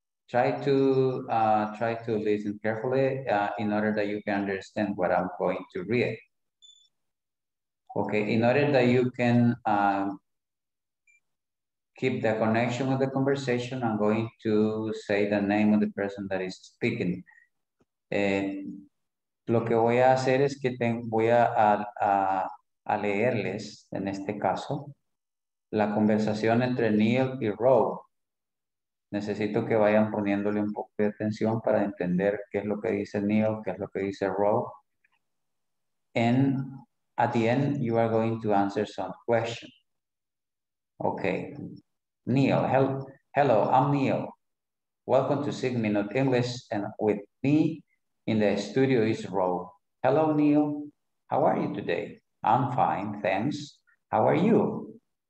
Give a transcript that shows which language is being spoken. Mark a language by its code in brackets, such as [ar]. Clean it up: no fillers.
[en] Try to listen carefully in order that you can understand what I'm going to read. Okay, in order that you can keep the connection with the conversation. I'm going to say the name of the person that is speaking. [es] Lo que voy a hacer es que voy a leerles, en este caso, la conversación entre Neil y Rob. Necesito que vayan poniéndole un poco de atención para entender qué es lo que dice Neil, qué es lo que dice Rob. [en] And at the end, you are going to answer some questions. Okay. Neil, hello, I'm Neil. Welcome to 6 Minute English, and with me in the studio is Rob. Hello, Neil. How are you today? I'm fine, thanks. How are you?